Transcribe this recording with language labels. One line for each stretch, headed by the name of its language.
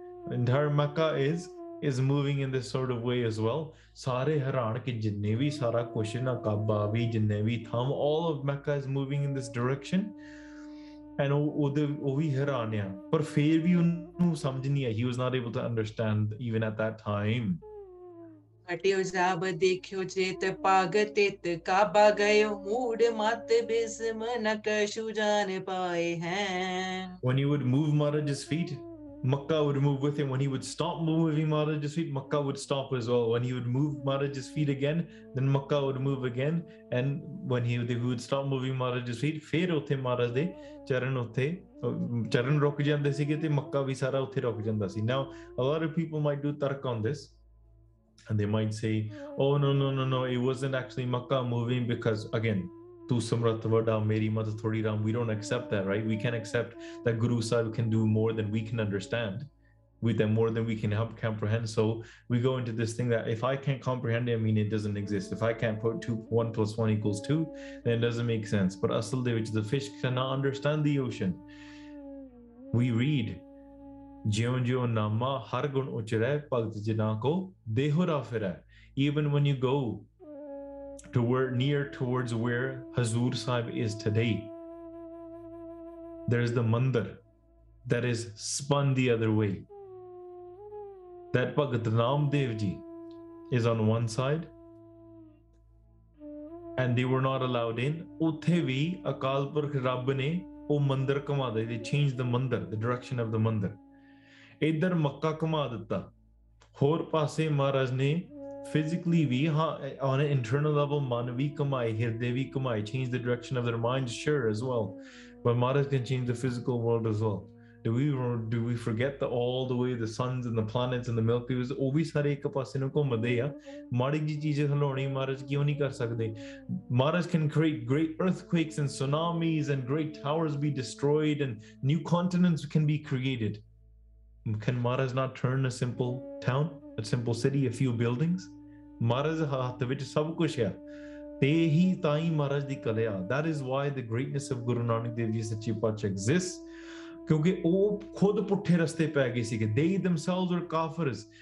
English: Entire makka is moving in this sort of way as well.
Punjabi: Sare haran ke jinne vi sara kush na kaaba vi jinne vi tham,
English: all of makka is moving in this direction
Punjabi: and oh vi haran ya par fir vi unnu samajh nahi aayi.
English: He was not able to understand even at that time.
Punjabi: ਅਟਿਓ job ਦੇਖਿਓ ਚੇਤ ਪਾਗ ਤਿਤ ਕਾਬਾ ਗਇਓ ਮੂੜ ਮਤ ਬਿਸਮ ਨਕ shoe ਜਾਨ ਪਾਏ ਹੈ.
English: When he would move Maharaj's feet, Makkah would move with him. When he would stop moving Maharaj's feet, Makkah would stop as well. When he would move Maharaj's feet again, then Makkah would move again. And when he would stop moving Maharaj's feet,
Punjabi: ਫੇਰ ਉਥੇ ਮਹਾਰਾਜ ਦੇ ਚਰਨ ਉਥੇ ਚਰਨ ਰੁਕ ਜਾਂਦੇ ਸੀਗੇ ਤੇ ਮੱਕਾ ਵੀ ਸਾਰਾ ਉਥੇ ਰੁਕ ਜਾਂਦਾ ਸੀ.
English: Now a lot of people might do tark on this. And they might say, oh, no, it wasn't actually Makkah moving because, again,
Punjabi: tu samrat vada meri mat thodi ram.
English: We don't accept that, right? We can't accept that Guru Sahib can do more than we can understand, with them more than we can help comprehend. So we go into this thing that if I can't comprehend it, I mean, it doesn't exist. If I can't put 2 + 1 = 2, then it doesn't make sense. But
Punjabi: asal de vich,
English: the fish cannot understand the ocean. We read,
Punjabi: ਜਿਉਂ ਜਿਉਂ ਨਾਮਾ ਹਰ ਗੁਣ ਉਚਰੈ ਭਗਤ ਜਿਨਾ ਕੋ ਦੇਹੁਰਾ ਫਿਰੈ.
English: Even when you go to where, near towards where Hazur Sahib is today, there is the mandir that is spun the other way. That Bhagat Naam Dev Ji is on one side and they were not allowed in.
Punjabi: ਉੱਥੇ ਵੀ ਅਕਾਲ ਪੁਰਖ ਰੱਬ ਨੇ ਉਹ ਮੰਦਰ ਘੁਮਾ ਦੇ.
English: They changed the mandir, the direction of the mandir.
Punjabi: ਇੱਧਰ ਮੱਕਾ ਘੁਮਾ ਦਿੱਤਾ ਹੋਰ ਪਾਸੇ ਮਹਾਰਾਜ ਨੇ
English: physically ਵੀ ਹਾਂ on internal level
Punjabi: ਮਨ ਵੀ ਘੁਮਾਏ ਹਿਰਦੇ ਵੀ ਘੁਮਾਏ
English: change the direction of their mind sure as well but Maharaj can change the physical world as well do we forget the all the way the suns and the planets and the milky ways
Punjabi: ਉਹ ਵੀ ਸਾਰੇ ਇੱਕ ਪਾਸੇ ਨੂੰ ਘੁੰਮਦੇ ਆ ਮਾੜੀ ਜਿਹੀ ਚੀਜ਼ ਹਿਲਾਉਣੀ ਮਹਾਰਾਜ ਕਿਉਂ ਨਹੀਂ ਕਰ ਸਕਦੇ
English: Maharaj can create great earthquakes and tsunamis and great towers be destroyed and new continents can be created. Can Maharaj not turn a simple town, a simple city, a few buildings?
Punjabi: Maharaj haath vich sab kuch hai. Tehi tai Maharaj di kalya.
English: That is why the greatness of Guru Nanak Dev Ji Sachi Pach exists.
Punjabi: Kyunki oh khud putthe raste pae gaye sige.
English: They themselves were kafirs.